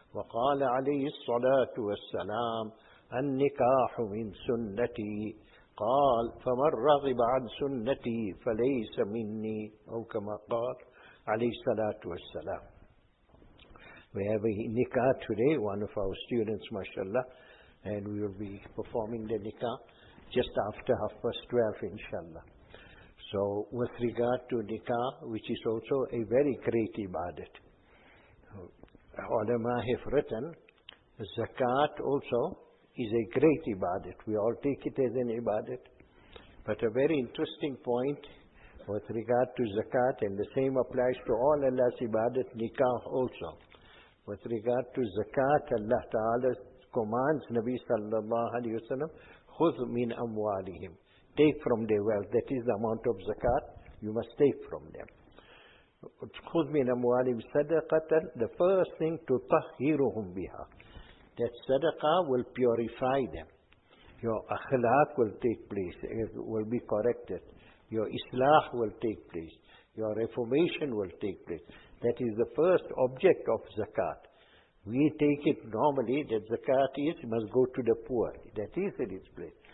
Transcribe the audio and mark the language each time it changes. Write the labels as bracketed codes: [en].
[ar] وقال عليه الصلاة والسلام: النكاح من سنتي. قال: فمن رغب عن سنتي فليس مني، أو كما قال عليه الصلاة والسلام. [en] We have a nikah today, one of our students, mashallah, and we will be performing the nikah just after 12:30, inshallah. So with regard to nikah, which is also a very great ibadat, ulama have written, zakat also is a great ibadat. We all take it as an ibadat. But a very interesting point with regard to zakat, and the same applies to all Allah's ibadat, nikah also. With regard to zakat, Allah Ta'ala commands Nabi Sallallahu Alaihi Wasallam, [ar] خُذْ مِنْ أَمْوَالِهِمْ, [en] take from their wealth. That is the amount of zakat you must take from them. [ar] خُذْ مِنْ أَمْوَالِهِمْ صَدَقَةً, [en] the first thing, to [ar] تُطَهِّرُهُمْ بِهَا. [en] That sadaqah will purify them. Your akhlaq will take place, it will be corrected. Your islah will take place. Your reformation will take place. That is the first object of zakat. We take it normally that zakat is must go to the poor. That is in its place.